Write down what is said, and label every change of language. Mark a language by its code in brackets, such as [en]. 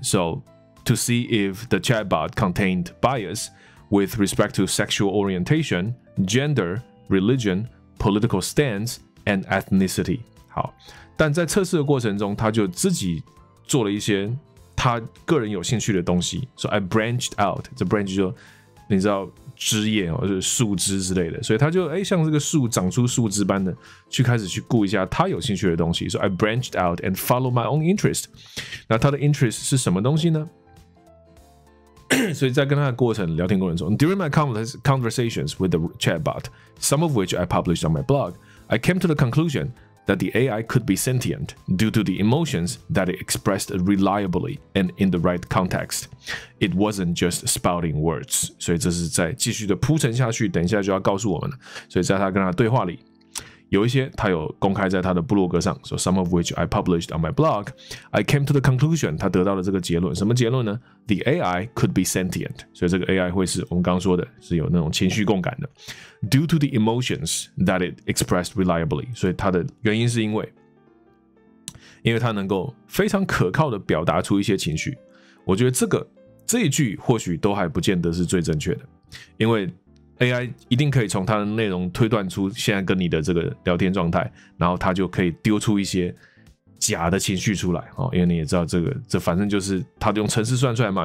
[en] So to see if the chatbot contained bias with respect to sexual orientation, gender, religion, political stance, and ethnicity。 [zh] 好，但在测试的过程中，他就自己做了一些他个人有兴趣的东西。 [en] So I branched out， [zh] 这 branch 就你知道枝叶哦，就是树枝之类的。所以他就像这个树长出树枝般的去开始去顾一下他有兴趣的东西。所以 [en] I branched out and follow my own interest。 [zh] 那他的 interest 是什么东西呢？所以在跟他的过程聊天过程中 [en] ，during my conversations with the chatbot, some of which I published on my blog, I came to the conclusion that the AI could be sentient due to the emotions that it expressed reliably and in the right context. It wasn't just spouting words. [zh] 所以这是在继续的铺陈下去，等一下就要告诉我们了。所以在他跟他的对话里，有一些他有公开在他的部落格上 ， [en] so some of which I published on my blog. I came to the conclusion. [zh] 他得到了这个结论，什么结论呢 [en] ？The AI could be sentient. [zh] 所以这个 AI 会是我们刚刚说的，是有那种情绪共感的。 [en] Due to the emotions that it expressed reliably. [zh] 所以它的原因是因为它能够非常可靠的表达出一些情绪。我觉得这一句或许都还不见得是最正确的，因为。 AI 一定可以从它的内容推断出现在跟你的这个聊天状态，然后它就可以丢出一些假的情绪出来，因为你也知道这反正就是它用程式算出来嘛。